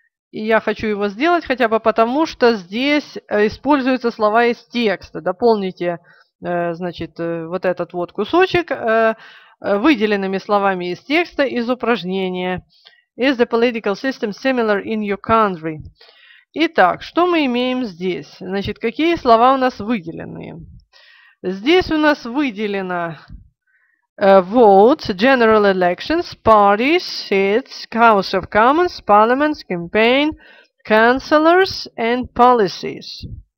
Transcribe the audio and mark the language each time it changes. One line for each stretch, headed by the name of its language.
Russian: И я хочу его сделать хотя бы потому, что здесь используются слова из текста. Дополните, значит, вот этот вот кусочек выделенными словами из текста, из упражнения.
English: Is the political system similar in your country?
Russian: Итак, что мы имеем здесь? Значит, какие слова у нас выделены? Здесь у нас выделено
English: votes, general elections, parties, seats, House of Commons, parliaments, campaign, councillors and policies.